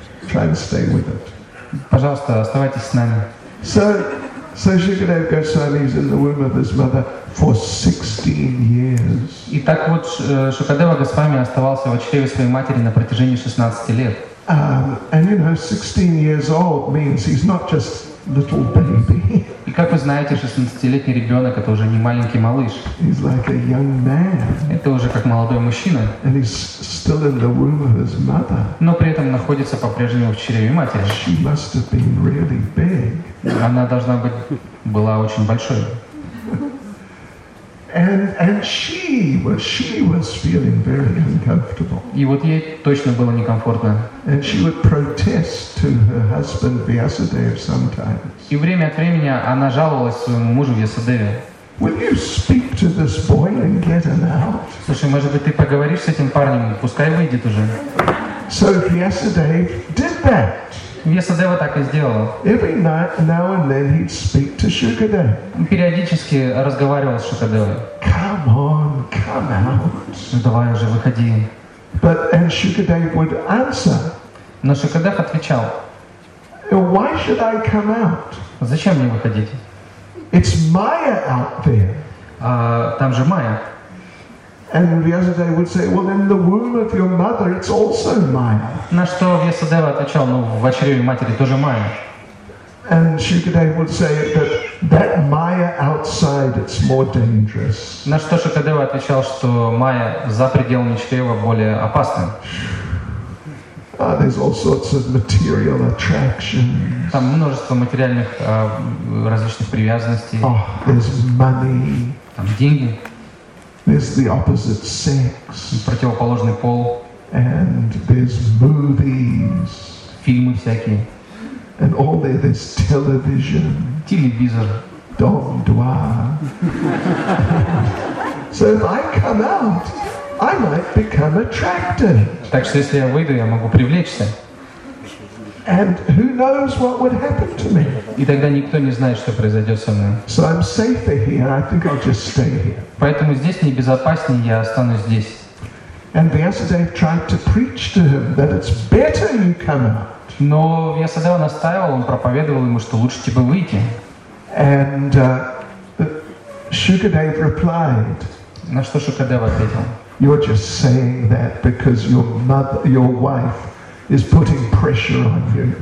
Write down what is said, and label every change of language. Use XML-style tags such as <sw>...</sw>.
<en>Try and stay with it.</en> <ru>Пожалуйста, оставайтесь с нами.</ru> <en>So Shukadev Goswami is in the womb of his mother for 16 years.</en> <ru>И так вот Шукадева Госвами оставался в чреве своей матери на протяжении 16 лет.</ru> <en>And you know, 16 years old means he's not just little baby.</en> <ru>И как вы знаете, 16-летний ребенок это уже не маленький малыш.</ru> <en>He's like a young man.</en> <ru>Это уже как молодой мужчина.</ru> <en>And he's still in the womb of his mother.</en> <ru>Но при этом находится по-прежнему в чреве матери.</ru> <en>She must have been really big.</en> <ru>Она должна быть была очень большой.</ru> <en>And she was feeling very uncomfortable.</en> <ru>И вот ей точно было некомфортно.</ru> <en>And she would protest to her husband Vyasadeva sometimes.</en> <ru>И время от времени она жаловалась своему мужу Вьясадеве.</ru> <en>Will you speak to this boy and get him out?</en> <ru>Слушай, может быть, ты поговоришь с этим парнем, пускай выйдет уже.</ru> <en>So Vyasadeva did that.</en> <ru>Вьясадева так и сделал.</ru> <en>Every night, now and then he'd speak to Shukadeva.</en> <ru>Он периодически разговаривал с Шукадевой.</ru> <en>Come on, come out.</en> <ru>Ну давай уже, выходи.</ru> <en>But and Shukadeva would answer.</en> <ru>Но Шукадев отвечал.</ru> <en>Why should I come out?</en> <ru>Зачем мне выходить?</ru> <en>It's Maya out there.</en> <ru>А там же Maya.</ru> <en>And Vyasadeva would say, "Well, in the womb of your mother, it's also Maya."</en> <ru>На что Вьясадева отвечал, ну в чреве матери тоже Maya.</ru> <en>And Shukadeva would say that Maya outside, it's more dangerous.</en> <ru>На что Шукадева отвечал, что Maya за пределами чрева более опасна.</ru> <en>There's all sorts of material attractions.</en> <ru>Там множество материальных различных привязанностей.</ru> <en>Oh, there's money.</en> <ru>Там деньги.</ru> <en>There's the opposite sex.</en> <ru>Противоположный пол.</ru> <en>And there's movies.</en> <ru>Фильмы всякие.</ru> <en>And all there's television.</en> <ru>Телевизор. Dong Dua.</ru> <en>So if I come out, I might become attracted.</en> <ru>Так что если я выйду, я могу привлечься.</ru> <en>And who knows what would happen to me?</en> <ru>И тогда никто не знает, что произойдет со мной.</ru> <en>So I'm safer here. I think I'll just stay here.</en> <ru>Поэтому здесь мне безопаснее, я останусь здесь.</ru> <en>And Vyasadeva tried to preach to him that it's better you come out.</en> <ru>Но Вьясадева настаивал, он проповедовал ему, что лучше тебе выйти.</ru> <en>And Shukadev replied.</en> <ru>На что Шукадева ответил?</ru> <en>You're just saying that because your wife. Is putting pressure on you.</en>